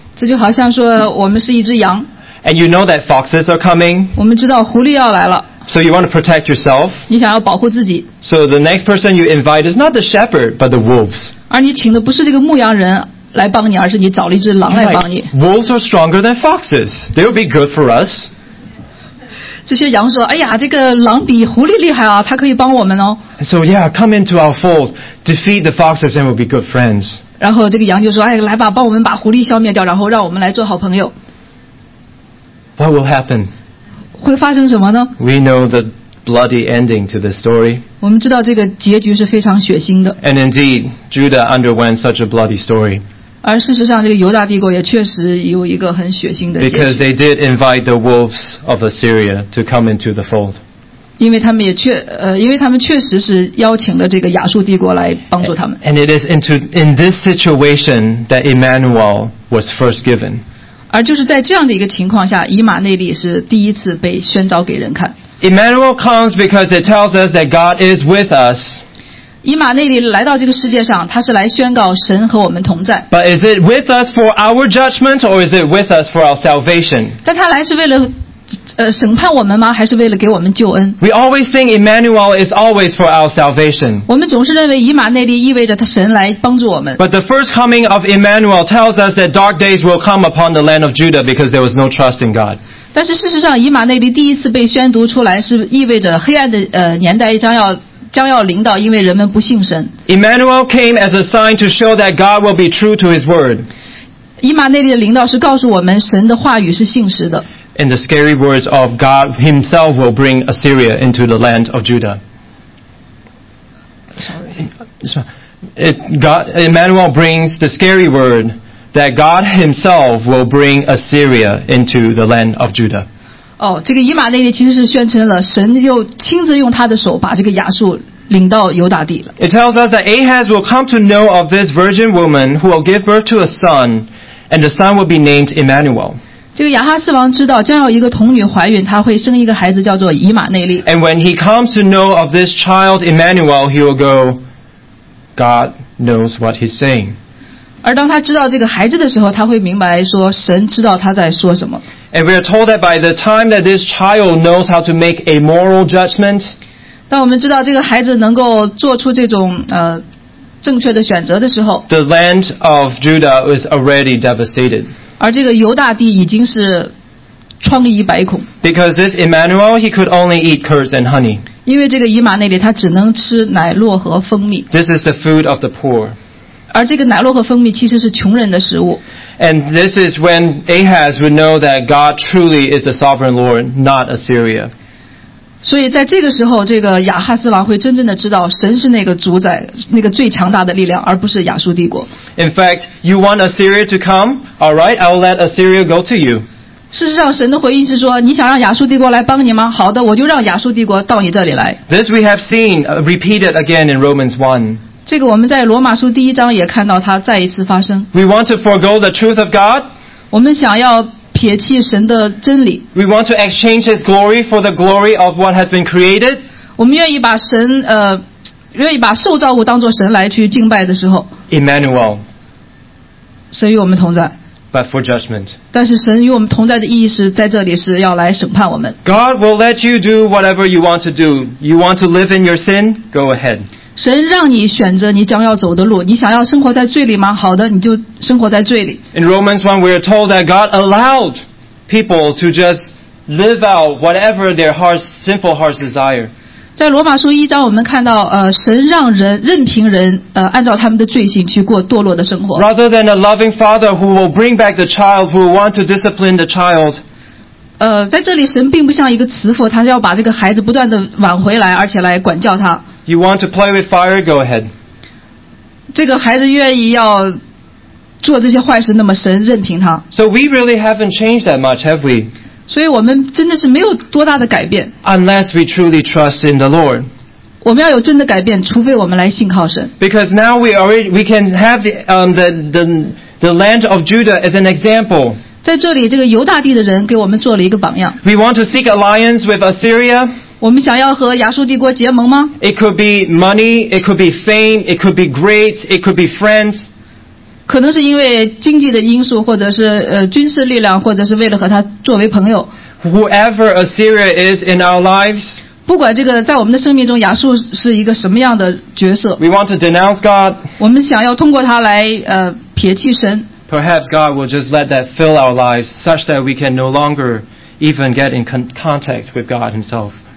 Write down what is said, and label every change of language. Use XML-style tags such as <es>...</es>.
<zh>这就好像说我们是一只羊。</zh> <en>And you know that foxes are coming.</en> <zh>我们知道狐狸要来了。</zh> <en>So you want to protect yourself.</en> <zh>你想要保护自己。</zh> <en>So the next person you invite is not the shepherd, but the wolves.</en> <zh>而你请的不是这个牧羊人来帮你，而是你找了一只狼来帮你。</zh> <en>Wolves are stronger than foxes. They'll be good for us.</en> <zh>这些羊说，哎呀，这个狼比狐狸厉害啊，它可以帮我们哦。</zh> <en>So yeah, come into our fold, defeat the foxes, and we'll be good friends.</en> <zh>然后这个羊就说，哎，来吧，帮我们把狐狸消灭掉，然后让我们来做好朋友。</zh> <en>What will happen?</en> <zh>会发生什么呢</zh> <en>？We know the bloody ending to this story.</en> <zh>我们知道这个结局是非常血腥的。</zh> <en>And indeed, Judah underwent such a bloody story.</en> <zh>而事实上，这个犹大帝国也确实有一个很血腥的结局。</zh> <en>Because they did invite the wolves of Assyria to come into the fold.</en> <zh>因为他们确实是邀请了这个亚述帝国来帮助他们。</zh> <en>And it is in this situation that Emmanuel was first given.</en> <zh>而就是在这样的一个情况下，以马内利是第一次被宣召给人看。</zh> <en>Emmanuel comes because it tells us that God is with us.</en> <zh>以马内利来到这个世界上，他是来宣告神和我们同在。</zh> <en>But is it with us for our judgment or is it with us for our salvation?</en> <zh>但他来是为了审判我们吗？还是为了给我们救恩</zh> <en>？We always think Emmanuel is always for our salvation.</en> <zh>我们总是认为以马内利意味着他神来帮助我们。</zh> <en>But the first coming of Emmanuel tells us that dark days will come upon the land of Judah because there was no trust in God.</en> <zh>但是事实上，以马内利第一次被宣读出来，是意味着黑暗的年代将要临到，因为人们不信神。</zh> <en>Emmanuel came as a sign to show that God will be true to His word.</en> <zh>以马内利的临到是告诉我们，神的话语是信实的。</zh> <en>In the scary words of God himself will bring Assyria into the land of Judah. Sorry. Emmanuel brings the scary word that God himself will bring Assyria into the land of Judah.</en> <zh>Oh, 这个以马内利其实是宣称了神又亲自用他的手把这个亚述领到犹大地了。</zh> <en>It tells us that Ahaz will come to know of this virgin woman who will give birth to a son and the son will be named Emmanuel.</en> <zh>这个亚哈斯王知道将要一个童女怀孕他会生一个孩子叫做以马内利</zh> <en>And when he comes to know of this child Emmanuel he will go God knows what he's saying</en> <zh>而当他知道这个孩子的时候他会明白说神知道他在说什么</zh> <en>And we are told that by the time that this child knows how to make a moral judgment</en> <zh>当我们知道这个孩子能够做出这种正确的选择的时候</zh> <en>The land of Judah is already devastated</en> <zh>而这个犹大帝已经是疮痍百孔。</zh> <en>Because this Emmanuel, he could only eat curds and honey.</en> <zh>因为这个以马内利他只能吃奶酪和蜂蜜。</zh> <en>This is the food of the poor,</en> <zh>而这个奶酪和蜂蜜其实是穷人的食物。</zh> <en>And this is when Ahaz would know that God truly is the sovereign Lord, not Assyria.</en> <zh>所以在这个时候，这个亚哈斯王会真正的知道神是那个主宰，那个最强大的力量，而不是亚述帝国。</zh> <en>In fact, you want Assyria to come? All right, I'll let Assyria go to you.</en> <zh>事实上，神的回应是说，你想让亚述帝国来帮你吗？好的，我就让亚述帝国到你这里来。</zh> <en>This we have seen repeated again in Romans 1.</en> <zh>这个我们在罗马书第一章也看到它再一次发生。</zh> <en>We want to forego the truth of God.</en> <zh>我们想要撇弃神的真理。</zh> <en>We want to exchange His glory for the glory of what has been created.</en> <zh>我们愿意把神愿意把受造物当作神来去敬拜的时候。</zh> <en>Emmanuel.</en> <zh>神与我们同在。</zh> <en>But for judgment.</en> <zh>但是神与我们同在的意义是在这里是要来审判我们。</zh> <en>God will let you do whatever you want to do. You want to live in your sin? Go ahead.</en> <zh>神让你选择你将要走的路，你想要生活在罪里吗？好的，你就生活在罪里。</zh> <en>In Romans 1, we are told that God allowed people to just live out whatever their hearts, sinful hearts desire.</en> <zh>在罗马书一章，我们看到，神让人任凭人，按照他们的罪行去过堕落的生活。</zh> <en>Rather than a loving father who will bring back the child, who will want to discipline the child.</en> <zh>在这里神并不像一个慈父，他是要把这个孩子不断的挽回来，而且来管教他。</zh> <en>You want to play with fire? Go ahead.</en> <zh>这个孩子愿意要做这些坏事，那么神任凭他。</zh> <en>So we really haven't changed that much, have we?</en> <zh>所以我们真的是没有多大的改变。</zh> <en>Unless we truly trust in the Lord.</en> <zh>我们要有真的改变，除非我们来信靠神。</zh> <en>Because now we can have the land of Judah as an example.</en> <zh>在这里，这个犹大地的人给我们做了一个榜样。</zh> <en>We want to seek alliance with Assyria.</en> <zh>我们想要和亚述帝国结盟吗</zh> <en>？It could be money, it could be fame, it could be great, it could be friends.</en> <zh>可能是因为经济的因素，或者是军事力量，或者是为了和他作为朋友。</zh> <en>Whoever Assyria is in our lives.</en> <zh>不管这个在我们的生命中亚述是一个什么样的角色。</zh> <en>We want to denounce God.</en> <zh>我们想要通过他来撇弃神。</zh> <en>Perhaps God will just let that fill our lives such that we can no longer even get in contact with God Himself.</en>